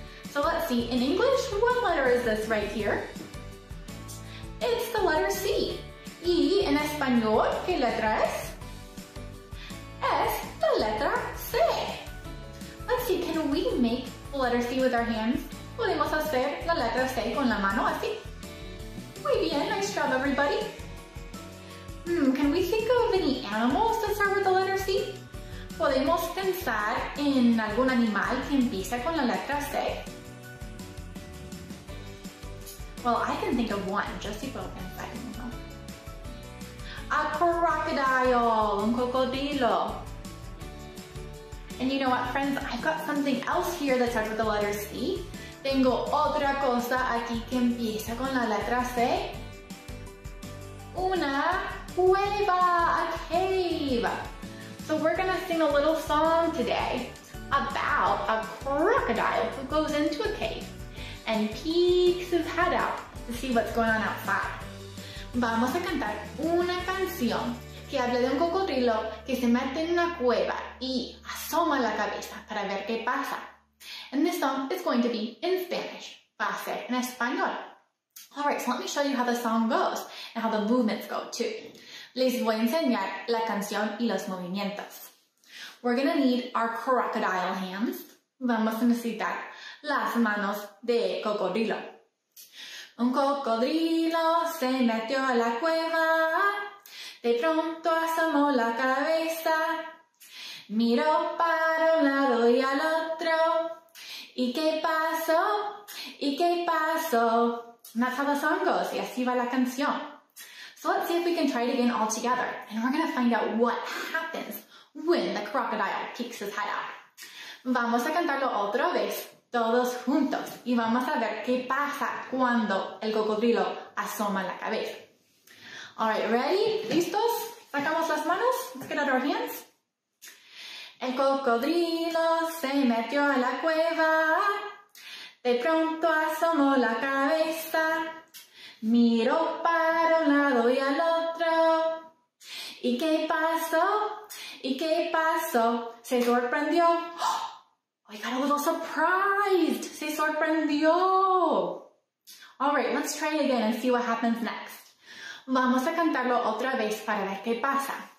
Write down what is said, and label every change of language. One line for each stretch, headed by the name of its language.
English: So let's see, in English, what letter is this right here? It's the letter C.
Spanish: Y en español, ¿qué letra es? Es la letra C.
English: Let's see, can we make the letter C with our hands?
Spanish: ¿Podemos hacer la letra C con la mano así? Muy bien,
English: nice job everybody. Can we think of any animals that start with the letter C?
Spanish: ¿Podemos pensar en algún animal que empiece con la letra C?
English: Well, I can think of one, just to go inside my mouth. A crocodile,
Spanish: un cocodrilo.
English: And you know what, friends? I've got something else here that starts with the letter C.
Spanish: Tengo otra cosa aquí que empieza con la letra C. Una cueva,
English: a cave. So we're gonna sing a little song today about a crocodile who goes into a cave and peeks his head out to see what's going on outside.
Spanish: Vamos a cantar una canción que habla de un cocodrilo que se mete en una cueva y asoma la cabeza para ver qué pasa.
English: And this song is going to be in Spanish.
Spanish: Va a ser en español.
English: All right, so let me show you how the song goes and how the movements go too.
Spanish: Les voy a enseñar la canción y los movimientos.
English: We're gonna need our crocodile hands.
Spanish: Vamos a necesitar las manos de cocodrilo. Un cocodrilo se metió a la cueva. De pronto asomó la cabeza. Miró para un lado y al otro. ¿Y qué pasó? ¿Y qué pasó?
English: And that's how the song goes.
Spanish: Y así va la canción.
English: So let's see if we can try it again all together. And we're going to find out what happens when the crocodile peeks his head out.
Spanish: Vamos a cantarlo otra vez, todos juntos. Y vamos a ver qué pasa cuando el cocodrilo asoma la cabeza.
English: All right, ready?
Spanish: ¿Listos? Sacamos las manos.
English: Let's get out our hands.
Spanish: El cocodrilo se metió a la cueva. De pronto asomó la cabeza. Miró para un lado y al otro. ¿Y qué pasó? ¿Y qué pasó? Se sorprendió.
English: Oh, I got a little surprised.
Spanish: Se sorprendió.
English: All right, let's try it again and see what happens next.
Spanish: Vamos a cantarlo otra vez para ver qué pasa.